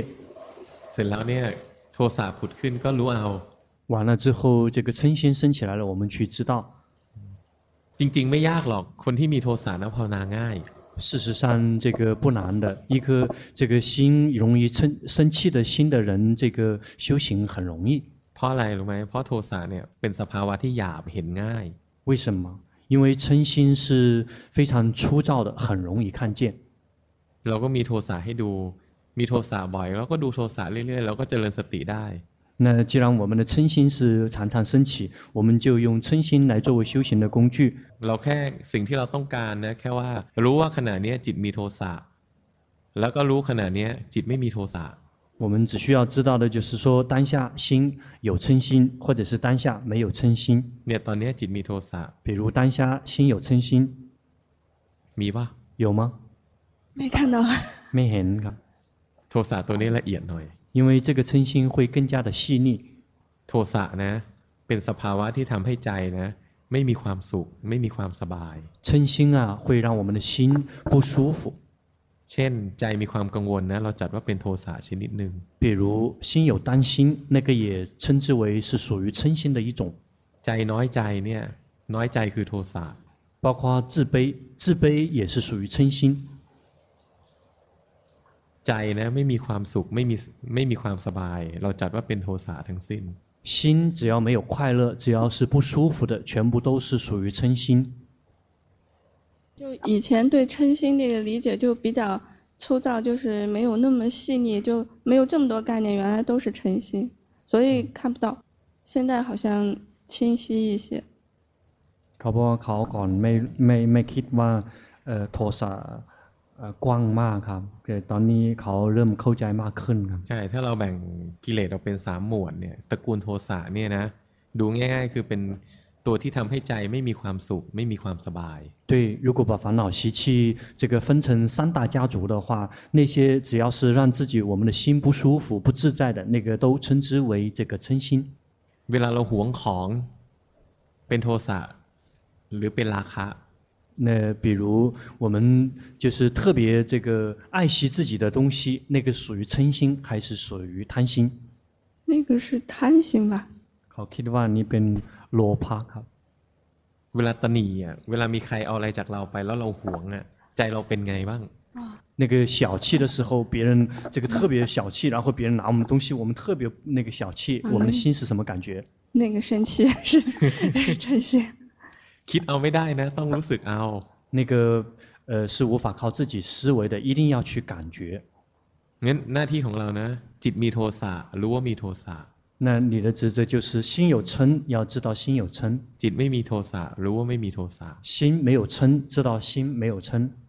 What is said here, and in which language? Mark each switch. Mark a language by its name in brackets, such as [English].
[Thai] เสร็จแล้วเนี่ยโทสะผุดขึ้นก็รู้เอา [Chinese] 完了之后这个嗔心升起来了我们去知道 [Thai] จริงๆไม่ยากหรอกคนที่มีโทสะนะภาวนาง่าย [Chinese] 事实上这个不难的一颗这个心容易生气的心的人这个修行很容易 [Thai] เพราะอะไรรู้ไหมเพราะโทสะเนี่ยเป็นสภาวะที่หยาบเห็นง่าย [Chinese] 为什么因为嗔心是非常粗糙的很容易看见 [Thai] เราก็มีโทสะให้ดูมีโทสะบ่อยเราก็ดูโทสะเรื่อยๆเราก็เจริญสติได้ [Chinese] 那既然我们的嗔心是常常升起我们就用嗔心来作为修行的工具 [Thai] เราแค่สิ่งที่เราต้องการนะแค่ว่ารู้ว่าขณะนี้จิตมีโทสะแล้วก็รู้ขณะนี้จิตไม่มีโทสะ [Chinese] 我们只需要知道的就是说当下心有嗔心或者是当下没有嗔心 [Thai] เนี่ยตอนนี้จิตมีโทสะ [Chinese] 比如当下心有嗔心 [Thai] มีป่ะ [Chinese] 有吗没看到没 [Thai] เห็นครับ โทสะตัวนี้ละเอียดหน่อย [Chinese] 因为这个嗔心会更加的细腻 [Thai] โทสะนะ ป็นสภาวะที่ทำให้ใจนะไม่มีความสุขไม่มีความสบาย [Chinese] 嗔心啊会让我们的心不舒服 [Thai] เช่นใจมีความกังวลนะเราจัดว่าเป็นโทสะชนิดหนึ่ง [Chinese] 比如心有担心那个也称之为是属于嗔心的一种 [Thai] ใจน้อยใจเนี่ยน้อยใจคือโทสะ [Chinese] 包括自卑自卑也是属于嗔心 [Thai] ใจนะไม่มีความสุขไม่มีความสบายเราจัดว่าเป็นโทสะทั้งสิ้น [Chinese] 心只要没有快乐只要是不舒服的全部都是属于嗔心就以前对嗔心这个理解就比较粗糙就是没有那么细腻就没有这么多概念原来都是嗔心所以看不到现在好像清晰一些 [Thai] เขาบอกว่าเขาก่อนไม่คิดว่าโทสะกว้างมากครับแต่ตอนนี้เขาเริ่มเข้าใจมากขึ้นครับใช่ถ้าเราแบ่งกิเลสออกเป็น3หมวดเนี่ยตระกูลโทสะเนี่ยนะดูง่ายๆคือเป็นตัวที่ทำให้ใจไม่มีความสุขไม่มีความสบาย [Chinese] 对如果把烦恼习气这个分成三大家族的话那些只要是让自己我们的心不舒服不自在的那个都称之为这个嗔心 [Thai] เวลาเราหวงของเป็นโทสะหรือเป็นราคะ [Chinese] 那比如我们就是特别这个爱惜自己的东西那个属于嗔心还是属于贪心那个是贪心吧好 [Thai] คิดว่านี่เป็นโลภะครับ เวลาตนีอ่ะเวลามีใครเอาอะไรจากเราไปแล้วเราหวงอ่ะใจเราเป็นไงบ้าง [Chinese] 那个小气的时候别人这个特别小气然后别人拿我们东西我们特别那个小气我们的心是什么感觉那个生气是嗔心 [Thai] คิดเอาไม่ได้นะต้องรู้สึกเอา [Chinese] 那个是无法靠自己思维的一定要去感觉 [Thai] งั้นหน้าที่ของเรานะจิตมีโทสะรู้ว่ามีโทสะ [Chinese] 那你的职责就是心有嗔要知道心有嗔 [Thai] จิตไม่มีโทสะรู้ว่าไม่มีโทสะ [Chinese] 心没有嗔知道心没有嗔